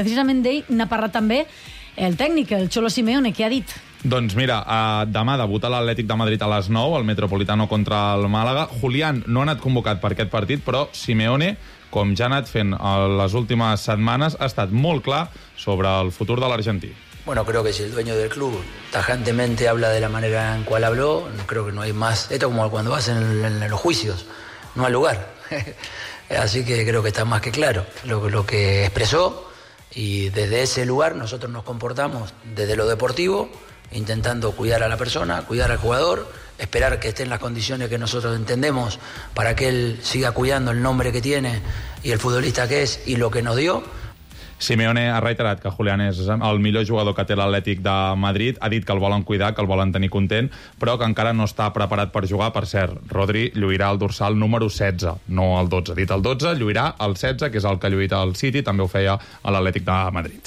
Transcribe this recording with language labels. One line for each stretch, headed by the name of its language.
Catalan: Precisament d'ell n'ha parlat també el tècnic, el Cholo Simeone, que ha dit... Doncs mira, demà debuta l'Atlètic de Madrid a les 9, el Metropolitano contra el Màlaga. Julián no ha anat convocat per aquest partit, però Simeone, com ja ha anat fent les últimes setmanes, ha estat molt clar sobre el futur de l'argentí.
Spanish: Bueno, creo que si el dueño del club tajantemente habla de la manera en cual habló, creo que no hay más. Esto como cuando vas en los juicios, no al lugar. Así que creo que está más que claro lo que expresó, y desde ese lugar nosotros nos comportamos desde lo deportivo, intentando cuidar a la persona, cuidar al jugador, esperar que esté en las condiciones que nosotros entendemos para que él siga cuidando el nombre que tiene y el futbolista que es y lo que nos dio.
Catalan: Simeone ha reiterat que Julián és el millor jugador que té l'Atlètic de Madrid. Ha dit que el volen cuidar, que el volen tenir content, però que encara no està preparat per jugar. Per cert, Rodri lluirà el dorsal número 16, no el 12. Dit el 12, lluirà el 16, que és el que ha lluit al City. També ho feia a l'Atlètic de Madrid.